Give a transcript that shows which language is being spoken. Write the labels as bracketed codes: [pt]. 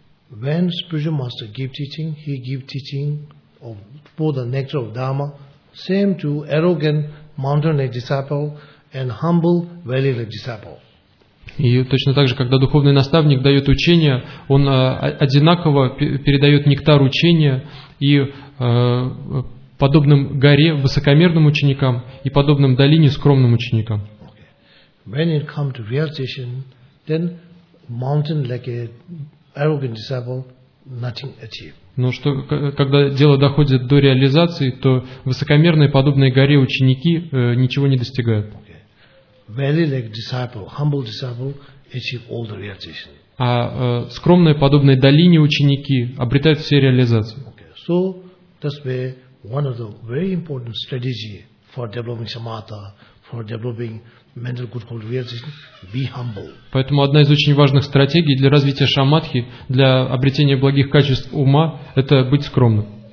[en] when spiritual master give teaching, he give teaching of for the nature of Dharma, same to arrogant mountain-like disciple and humble valley-like disciple. [ru] И точно так же, когда духовный наставник дает учение, он одинаково передает нектар учения и подобным горе высокомерным ученикам и подобным долине скромным ученикам. [en] When it comes to realization, then mountain like an arrogant disciple, nothing achieved. [ru] Но что, когда дело доходит до реализации, то высокомерные подобные горе ученики ничего не достигают. [en] Valley like disciple, humble disciple achieve all the realization. [ru] А скромные подобные долине ученики обретают все реализации. [en] So that's where one of the very important strategy for developing samatha, for developing mental good quality realization, be humble. [ru] Поэтому одна из очень важных стратегий для развития шамадхи, для обретения благих качеств ума, это быть скромным.